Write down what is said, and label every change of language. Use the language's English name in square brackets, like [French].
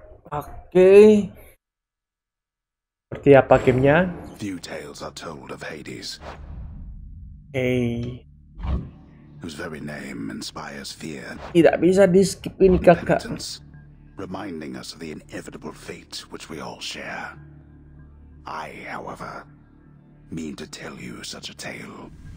[Indonesian] Oke. Seperti apa gamenya? [English] Few tales are told of Hades. Hey. Whose very name inspires fear. [Indonesian] Tidak bisa di skip ini kakak. [English] Reminding us of the inevitable fate which we all share. I, however, mean to tell you such a tale.